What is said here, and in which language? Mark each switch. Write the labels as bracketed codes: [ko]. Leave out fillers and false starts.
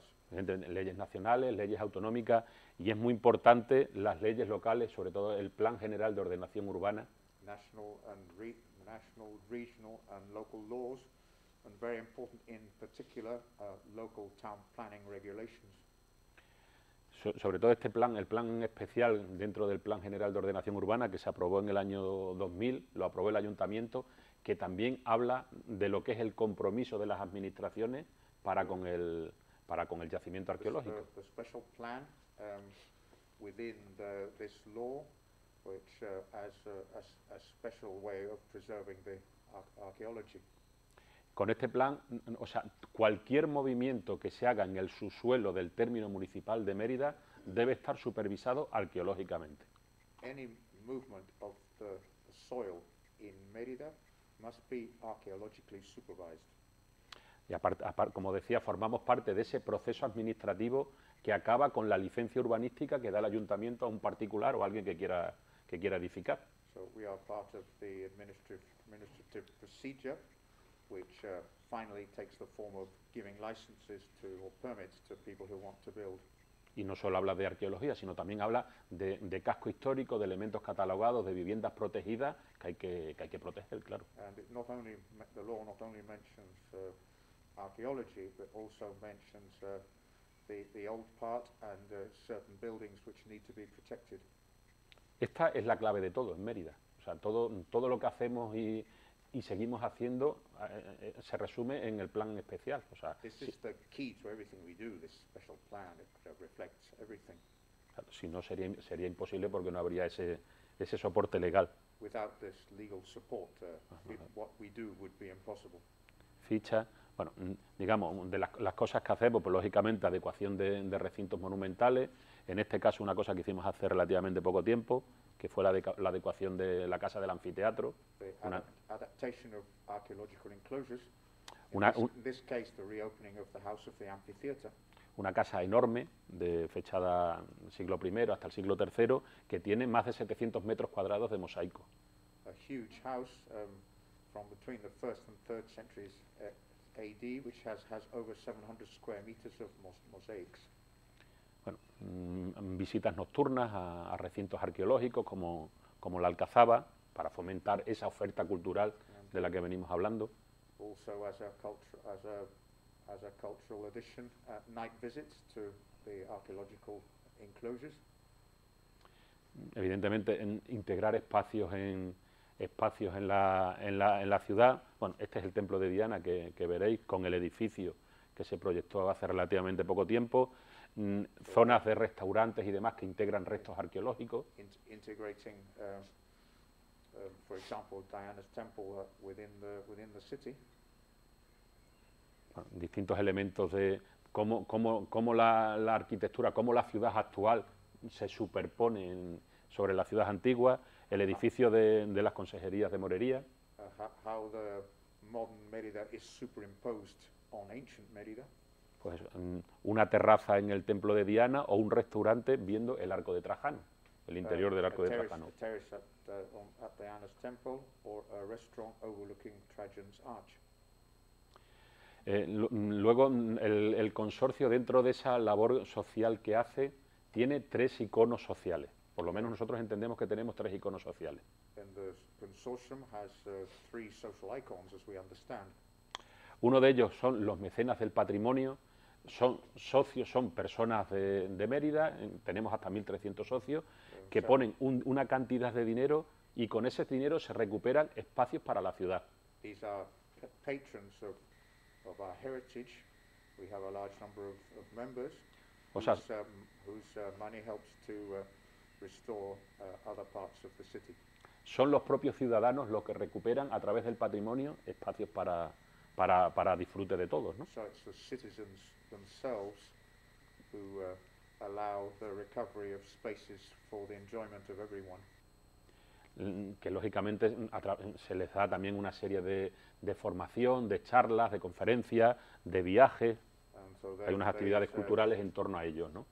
[es] Leyes nacionales, leyes autonómicas, y es muy importante las leyes locales, sobre todo el Plan General de Ordenación Urbana. [en] National and national, regional and local laws, and very important in particular local town planning regulations. [es] Sobre todo este plan, el plan especial dentro del Plan General de Ordenación Urbana, que se aprobó en el año 2000, lo aprobó el Ayuntamiento, que también habla de lo que es el compromiso de las administraciones para con el yacimiento arqueológico. [en] The special plan within this law, which has a special way of preserving the archaeology. [es] Con este plan, o sea, cualquier movimiento que se haga en el subsuelo del término municipal de Mérida debe estar supervisado arqueológicamente. [en] Any movement of the soil in Mérida must be archaeologically supervised. [es] Y aparte, como decía, formamos parte de ese proceso administrativo que acaba con la licencia urbanística que da el ayuntamiento a un particular o a alguien que quiera edificar. [en] So we are part of the administrative procedure, which finally takes the form of giving licenses to or permits to people who want to build. [es] Y no solo habla de arqueología, sino también habla de casco histórico, de elementos catalogados, de viviendas protegidas que hay que proteger, claro. [en] And the law not only mentions archaeology, but also mentions the old part and certain buildings which need to be protected. [es] Esta es la clave de todo en Mérida. O sea, todo lo que hacemos y seguimos haciendo, se resume en el plan especial. O sea, [en] this is the key to everything we do, this special plan, it reflects everything. [es] Claro, si no, sería imposible porque no habría ese soporte legal. [en] Without this legal support, what we do would be impossible. [es] Ficha, bueno, digamos, de las cosas que hacemos, pues lógicamente, adecuación de recintos monumentales, en este caso una cosa que hicimos hace relativamente poco tiempo, que fue la adecuación de la casa del anfiteatro. [en] Adaptation of archaeological enclosures. In this case, the reopening of the house of the amphitheater. [es] Una casa enorme, de fechada siglo I hasta el siglo III, que tiene más de 700 metros cuadrados de mosaico. [en] A huge house from between the first and third centuries AD, which has over 700 square meters of mosaics. [es] Bueno, visitas nocturnas a recintos arqueológicos como la Alcazaba, para fomentar esa oferta cultural de la que venimos hablando. [en] Also as a culture, as a as a cultural addition, night visits to the archaeological enclosures. [es] Evidentemente, en integrar espacios en la ciudad. Bueno, este es el templo de Diana que veréis con el edificio que se proyectó hace relativamente poco tiempo. Zonas de restaurantes y demás que integran restos arqueológicos. [en] Integrating, for example, Diana's temple within the city. [es] Bueno, distintos elementos de cómo la arquitectura, cómo la ciudad actual se superpone sobre la ciudad antigua, el edificio de las consejerías de Morería. [en] How the modern Mérida is superimposed on ancient Mérida. [es] Pues una terraza en el templo de Diana o un restaurante viendo el Arco de Trajano, el interior del Arco de Trajano. [en] A terrace at Diana's temple or a restaurant overlooking Trajan's arch. [es] Luego, el consorcio, dentro de esa labor social que hace, tiene tres iconos sociales. Por lo menos nosotros entendemos que tenemos tres iconos sociales. [en] And the consortium has three social icons, as we understand. [es] Uno de ellos son los mecenas del patrimonio, son socios, son personas de Mérida, tenemos hasta 1.300 socios, que ponen una cantidad de dinero y con ese dinero se recuperan espacios para la ciudad. [en] These are patrons of our heritage. We have a large number of members whose money helps to restore other parts of the city. [es] Son los propios ciudadanos los que recuperan a través del patrimonio espacios para disfrute de todos, ¿no? [en] So it's the citizens themselves who allow the recovery of spaces for the enjoyment of everyone. [es] Que lógicamente se les da también una serie de formación, de charlas, de conferencias, de viajes. [en] So [es] hay unas actividades culturales en torno a ellos, ¿no?